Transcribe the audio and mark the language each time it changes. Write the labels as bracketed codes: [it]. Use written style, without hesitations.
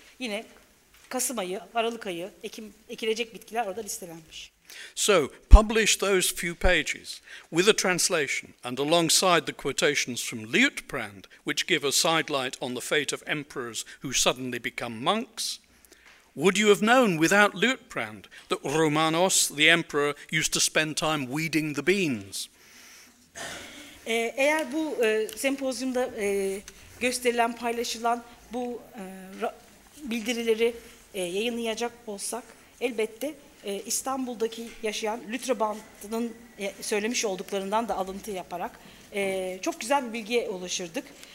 [tr] Yine Kasım ayı, Aralık ayı, ekim ekilecek bitkiler orada listelenmiş. [en] So, publish those few pages with a translation and alongside the quotations from Liutprand, which give a sidelight on the fate of emperors who suddenly become monks. Would you have known without Liutprand that Romanos, the emperor, used to spend time weeding the beans? [tr] Eğer bu sempozyumda gösterilen, paylaşılan bu bildirileri yayınlayacak olsak, elbette İstanbul'daki yaşayan Lütrebant'ın söylemiş olduklarından da alıntı yaparak çok güzel bir bilgiye ulaşırdık.